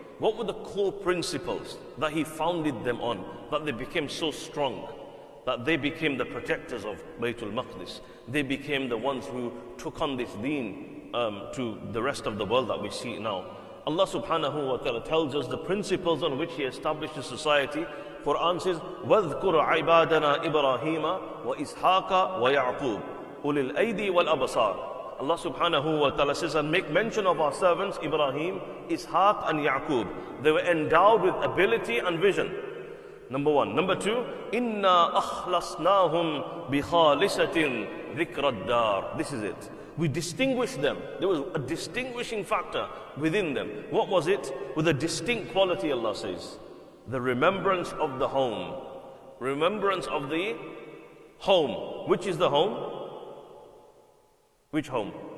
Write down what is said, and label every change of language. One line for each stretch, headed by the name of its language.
English: What were the core principles that he founded them on, that they became so strong? that they became the protectors of Baytul Maqdis. They became the ones who took on this deen to the rest of the world that we see now. Allah subhanahu wa ta'ala tells us the principles on which He established the society. Quran says,
Arabic: وَذْكُرْ عِبَادَنَا إِبْرَاهِيمَ وَإِسْحَاقَ وَيَعْقُوبَ أُولِي الْأَيْدِي وَالْأَبْصَارِ.
English: Allah subhanahu wa ta'ala says, and make mention of our servants Ibrahim, Ishaq and Ya'qub. They were endowed with ability and vision. Number one. Number two,
Arabic: إِنَّا أَخْلَصْنَاهُمْ بِخَالِسَةٍ ذِكْرَ الدَّارِ.
English: This is it. We distinguished them. There was a distinguishing factor within them. What was it? With a distinct quality, Allah says. The remembrance of the home. Remembrance of the home. Which is the home? Which home?